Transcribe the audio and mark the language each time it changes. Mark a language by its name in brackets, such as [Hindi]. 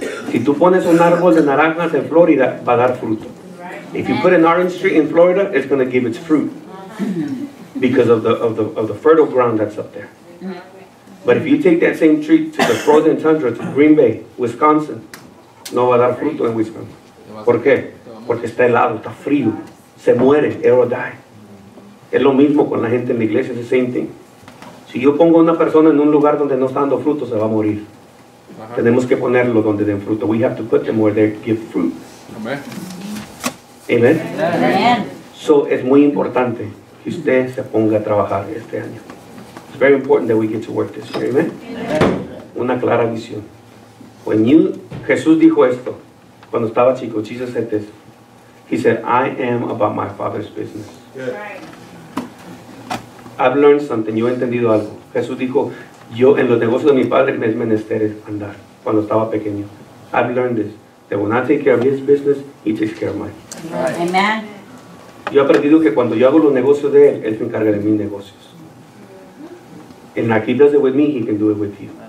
[Spanish] Si tú pones un árbol de naranjas en Florida, va a dar fruto. [English] If you put an orange tree in Florida, it's going to give its fruit because of the fertile ground that's up there. But if you take that same tree to the frozen tundra, to Green Bay, Wisconsin, [Spanish] no va a dar fruto en Wisconsin. ¿Por qué? Porque está helado, está frío. Se muere, [English] it'll die. [Spanish] Es lo mismo con la gente en la iglesia, [English] it's the same thing. [Spanish] Si yo pongo una persona en un lugar donde no está dando fruto, se va a morir. Tenemos que ponerlo donde den fruto. [English] We have to put them where they give fruit. Amen. Amen. Amen. [Spanish] So es muy importante que usted se ponga a trabajar este año. [English] It's very important that we get to work this year. Amen. Amen. [Spanish] Una clara visión. Jesús dijo esto cuando estaba chico. [English] Jesus said this. He said, I am about my Father's business. Yeah. I've learned something. [Spanish] Yo he entendido algo. Jesús dijo, yo en los negocios de mi Padre me es menester andar cuando estaba pequeño. [English] I've learned this. That when I take care of His business, He takes care of mine. Amen. [Spanish] Yo he aprendido que cuando yo hago los negocios de él, él se encarga de mis negocios. [English] And like he does it with me, he can do it with you.